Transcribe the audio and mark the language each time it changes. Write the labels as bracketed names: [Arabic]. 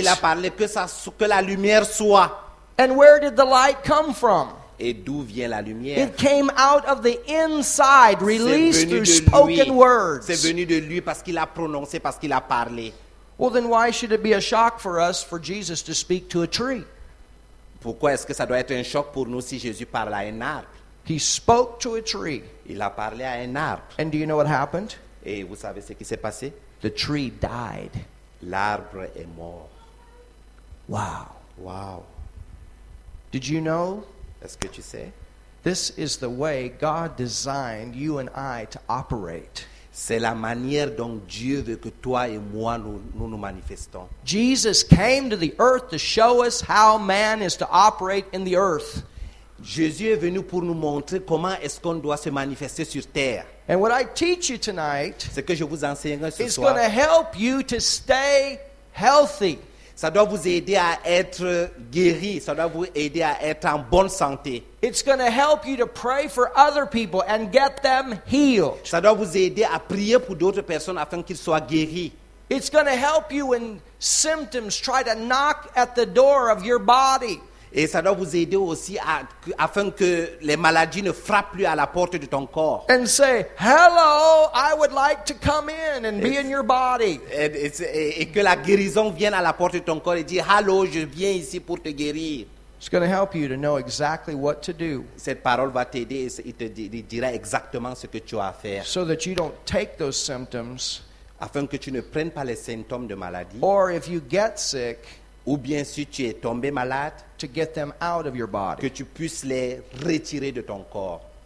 [French] Et il a parlé que la lumière soit. [English] And where did the light come from? [French] Et d'où vient la lumière? [English] It came out of the inside, released through spoken words. [French] C'est venu de lui parce qu'il a prononcé, parce qu'il a parlé. [English] Well, then why should it be a shock for us for Jesus to speak to a tree? [French] Pourquoi est-ce que ça doit être un choc pour nous si Jésus parle à un arbre? [English] He spoke to a tree. [French] Il a parlé à un arbre. [English] And do you know what happened? [French] Et vous savez ce qui s'est passé? [English] The tree died. [French] L'arbre est mort. [English] Wow. Wow. Did you know? [French] Est-ce que tu sais? [English] This is the way God designed you and I to operate. [French] C'est la manière dont Dieu veut que toi et moi nous manifestons. [English] Jesus came to the earth to show us how man is to operate in the earth. [French] Jésus est venu pour nous montrer comment est-ce qu'on doit se manifester sur terre. [English] And what I teach you tonight, [French] ce que je vous enseigne ce soir, [English] is going to help you to stay healthy. [French] Ça doit vous aider à être guéri. Ça doit vous aider à être en bonne santé. [English] It's going to help you to pray for other people and get them healed. [French] Ça doit vous aider à prier pour d'autres personnes afin qu'ils soient guéris. [English] It's going to help you when symptoms try to knock at the door of your body. [French] Et ça doit vous aider aussi afin que les maladies ne frappent plus à la porte de ton corps. [English] And say, "Hello, I would like to come in and be in your body." [French] Et que la guérison vienne à la porte de ton corps et dit, "Hello, je viens ici pour te guérir." [English] It's going to help you to know exactly what to do. [French] Cette parole va t'aider et il te dira exactement ce que tu as à faire. [English] So that you don't take those symptoms. [French] Afin que tu ne prennes pas les symptômes de maladie. [English] Or if you get sick. [French] Ou bien si tu es tombé malade, [English] to get them out of your body. [French] Que tu puisses les retirer de ton corps.